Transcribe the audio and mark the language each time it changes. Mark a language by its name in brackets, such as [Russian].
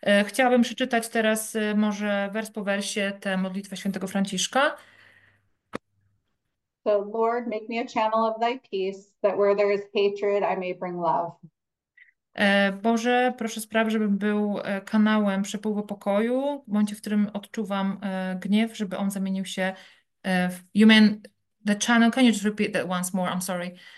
[Polish] Chciałabym przeczytać teraz może wers po wersie tę modlitwę świętego Franciszka. [English] So Lord, make me a channel of thy peace, that where there is hatred, I may bring love. [Polish] Boże, proszę spraw, żebym był kanałem przepływu pokoju, bądź w którym odczuwam gniew, żeby on zamienił się w... [English] You mean... The channel, can you just repeat that once more? I'm sorry.